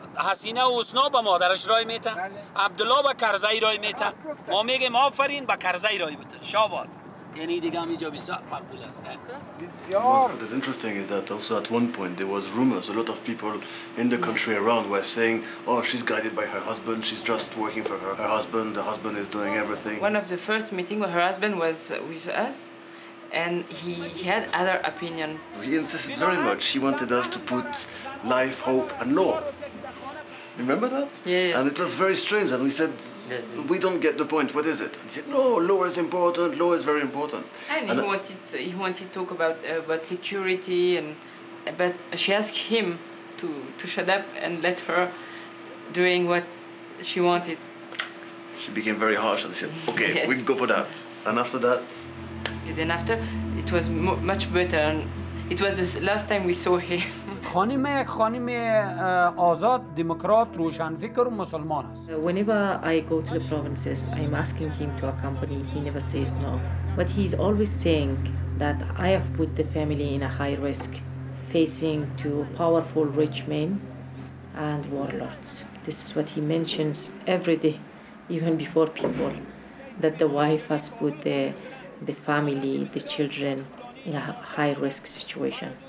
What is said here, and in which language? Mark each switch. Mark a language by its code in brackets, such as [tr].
[fa] حسینه و حسنا به مادرش رای میتن. عبدالله به کرزی رای میتن. ما میگیم آفرین به کرزی رای بده. شاباز. یعنی دیگه همی جا بیسار مقبول است. بسیار. [en] What is interesting is that also at one point there was rumors. A lot of people in the country around were saying, oh, she's guided by her husband. She's just working for her husband. The husband is doing everything. One of the first meeting with her husband was with us. And he had other opinion. He insisted very much. He wanted us to put life, hope, and law. Remember that? Yeah. And it was very strange. And we said, we don't get the point. What is it? And he said, no, law is important. Law is very important. And he wanted to talk about security. But she asked him to shut up and let her doing what she wanted. She became very harsh and said, OK, we can go for that. And after that? And then after, it was much better. And it was the last time we saw him. [fa] خانم یک خانم آزاد دموکرات روشنفکر مسلمان است. [en] Whenever I go to the provinces, I'm asking him to accompany. He never says no, but he's always saying that I have put the family in a high risk, facing two powerful rich men and warlords. This is what he mentions every day, even before people, that the wife has put the family, the children, in a high risk situation.